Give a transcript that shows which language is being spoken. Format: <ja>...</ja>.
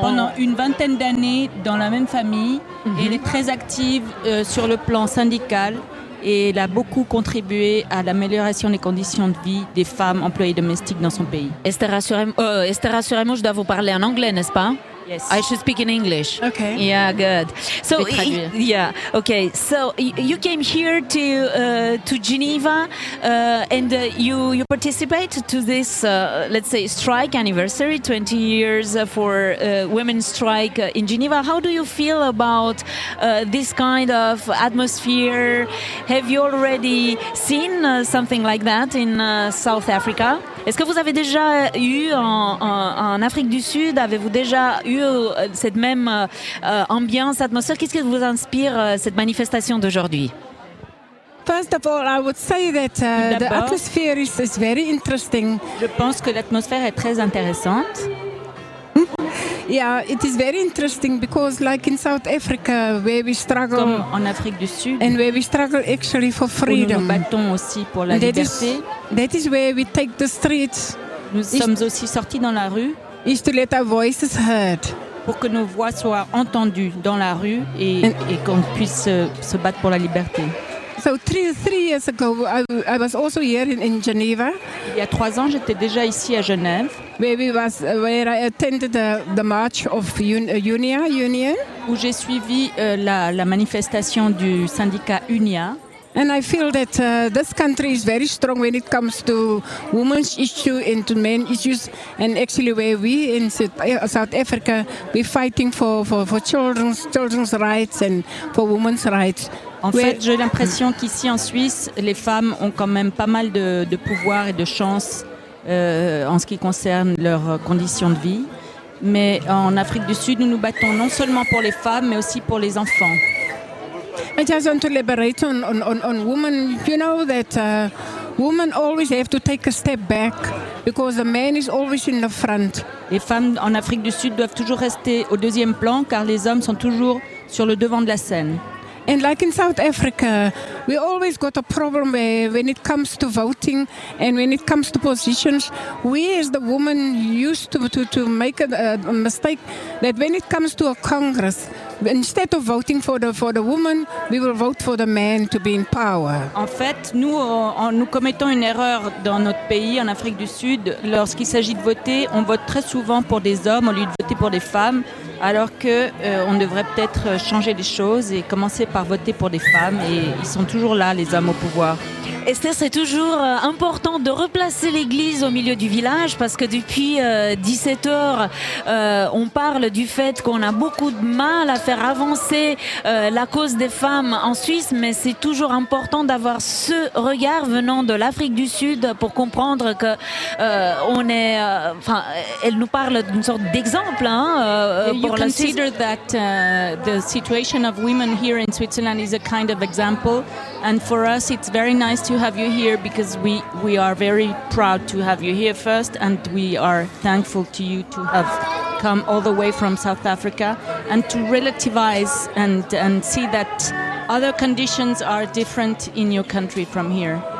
<fr>pendant une vingtaine d'années dans la même famille. Et elle est très active sur le plan syndical. Et elle a beaucoup contribué à l'amélioration des conditions de vie des femmes employées domestiques dans son pays. Esther, rassurez-moi, je dois vous parler en anglais, n'est-ce pas?</fr> <en>Yes. I should speak in English. Okay. Yeah, good. So, okay. So you came here to Geneva, and you participate to this, let's say, strike anniversary, 20 years for women's strike in Geneva. How do you feel about this kind of atmosphere? Have you already seen something like that in South Africa?</en> <fr>Est-ce que vous avez déjà eu en Afrique du Sud, avez-vous déjà eu cette même ambiance, atmosphère? Qu'est-ce qui vous inspire cette manifestation d'aujourd'hui?</fr> <en>First of all, I would say that the atmosphere is very interesting.</en> <fr>Je pense que l'atmosphère est très intéressante.</fr> <en>Yeah, it is very interesting because, like in South Africa, where we struggle,</en> <fr>comme en Afrique du Sud,</fr> <en>and where we struggle actually for freedom,</en> <fr>nous battons aussi pour la liberté.</fr> <en>That is where we take the streets.</en> <fr>Nous sommes aussi sortis dans la rue.</fr> <en>Is to let our voices heard.</en> <fr>Pour que nos voix soient entendues dans la rue et qu'on puisse se battre pour la liberté.</fr> <en>So three years ago, I was also here in Geneva.</en> <fr>Il y a trois ans, j'étais déjà ici à Genève.</fr> <en>Where I attended the march of Union.</en> <fr>Où j'ai suivi la manifestation du syndicat Unia.</fr> <en>And I feel that this country is very strong when it comes to women's issues and to men issues. And actually, where we in South Africa, we're fighting for children's rights and for women's rights.</en> <fr>En fait, j'ai l'impression qu'ici en Suisse, les femmes ont quand même pas mal de pouvoir et de chance en ce qui concerne leurs conditions de vie. Mais en Afrique du Sud, nous nous battons non seulement pour les femmes, mais aussi pour les enfants.</fr> <en>I just want to liberate on women. You know that women always have to take a step back because the man is always in the front.</en> <fr>Les femmes en Afrique du Sud doivent toujours rester au deuxième plan car les hommes sont toujours sur le devant de la scène.</fr> <en>And like in South Africa, we always got a problem when it comes to voting and when it comes to positions. We as the women used to make a mistake that when it comes to a Congress, instead of voting for the woman, we will vote for the man to be in power.</en> <fr>En fait, nous commettons une erreur dans notre pays, en Afrique du Sud. Lorsqu'il s'agit de voter, on vote très souvent pour des hommes au lieu de voter pour des femmes. alors qu'on devrait peut-être changer les choses et commencer par voter pour des femmes. Et ils sont toujours là, les hommes au pouvoir. Esther, c'est toujours important de replacer l'église au milieu du village, parce que depuis 17h, on parle du fait qu'on a beaucoup de mal à faire avancer la cause des femmes en Suisse, mais c'est toujours important d'avoir ce regard venant de l'Afrique du Sud pour comprendre que on est, enfin, elle nous parle d'une sorte d'exemple, hein, pour la Suisse.</fr> <en>You consider that the situation of women here in Switzerland is a kind of example, and for us it's very nice to have you here, because we are very proud to have you here first, and we are thankful to you to have come all the way from South Africa and to relativize and see that other conditions are different in your country from here.</en>